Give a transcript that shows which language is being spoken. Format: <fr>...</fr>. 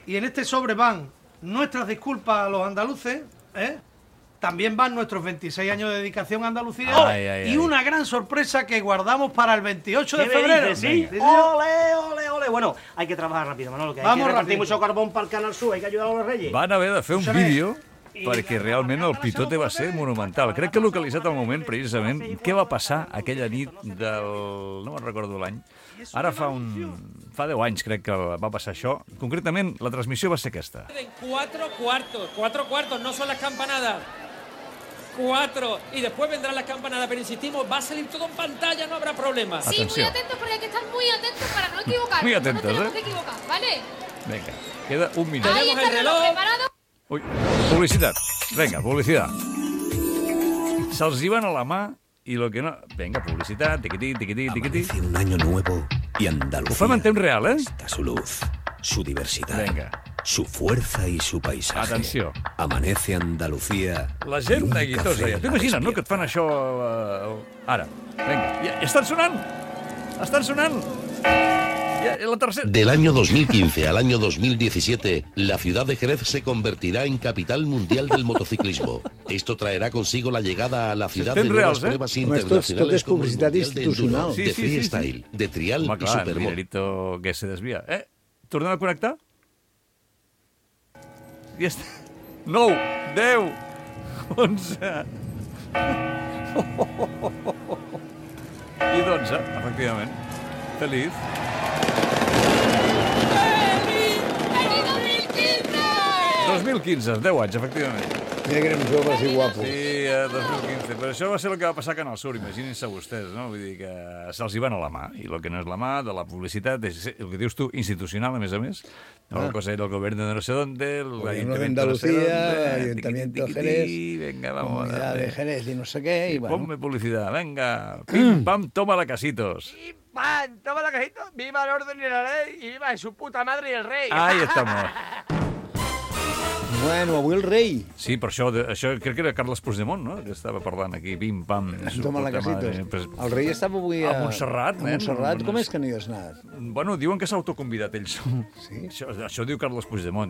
<es>Y en este sobre van nuestras disculpas a los andaluces, ¿eh? También van nuestros 26 años de dedicación a Andalucía. Ay, ay, ay. Y una gran sorpresa que guardamos para el 28 de febrero. ¿Qué me dices? ¿Sí? ¡Ole, ole, ole! Bueno, hay que trabajar rápido, Manolo. Que vamos, hay que repartir mucho carbón para el Canal Sur. Hay que ayudar a los Reyes. Van a haber de hacer un vídeo</es> <ca>perquè realment el pitote va ser monumental. Crec que localitzat el moment, precisament, què va passar aquella nit del... No me'n recordo l'any. Ara fa un... fa 10 anys, crec que va passar això. Concretament, la transmissió va ser aquesta.</ca> <es>En 4 cuartos. 4 cuartos, no son las campanadas. 4. Y después vendrán las campanadas, pero insistimos, va a salir todo en pantalla, no habrá problema.</es> <ca>Sí, atenció.</ca> <es>Muy atentos, porque hay que estar muy atentos para no equivocar. Muy atentos, no tenemos que equivocar, ¿vale?</es> <ca>Venga, queda un minut.</ca> <es>Ahí está el reloj preparado.</es> <ca>Ui, publicitat. Venga, publicitat. Se'ls hi van a la mà i el que no...</ca> <es>Venga, publicitat, tiquití, tiquití, tiquití. Amanece un año nuevo y Andalucía...</es> <ca>Ho fem en temps real, eh?</ca> <es>Está su luz, su diversidad. Venga. Su fuerza y su paisaje.</es> <ca>Atenció.</ca> <es>Amanece Andalucía...</es> <ca>La gent de Guitosa, ja. T'imagines, no?, que et fan això... ara. Venga. Ja, estan sonant! Estan sonant!</ca> <es>Del año 2015 al año 2017, la ciudad de Jerez se convertirá en capital mundial del motociclismo. Esto traerá consigo la llegada a la ciudad de nuevas pruebas eh? Internacionales como el mundial de enduro, sí, de freestyle, sí, sí. De trial.</es> <ca>Home, clar,</ca> <es>y supermoto.</es> <ca>Home, clar,</ca> <es>mirarito que se desvia.</es> <ca>Tornem a connectar? I està... 9, 10, 11... I 12, efectivament. Feliz.</ca> <es>¡Feliz 2015!</es> <ca>2015, 10 anys, efectivament. Mira que érem joves i guapos. Sí, 2015. Però això va ser el que va passar a Canal Sur, imaginin-se vostès, no? Vull dir que se'ls hi van a la mà. I el que no és la mà de la publicitat, és el que dius tu, institucional, a més. No, ah. La cosa era el govern</ca> <es>de no sé dónde,</es> <ca>l'Ajuntament</ca> <es>de no sé dónde, l'Ajuntament de Jerez, venga, vamos,</es> <ca>la de Jerez i no sé què, i bueno.</ca> <es>Ponme publicitat, venga, pim-pam, toma la casitos. Pim-pam, toma la casitos, viva el orden y la ley, y viva su puta madre y el rey. Ahí estamos.</es> <ca>Bueno, avui el rei. Sí, per això, això crec que era Carles Puigdemont, no?, que estava parlant aquí, pim-pam.</ca> <es>Toma la casita.</es> <ca>Pues, el rei estava avui a Montserrat, a Montserrat. Com és que no hi has anat? Bueno, diuen que s'ha autoconvidat ell. Sí? Això diu Carles Puigdemont.</ca>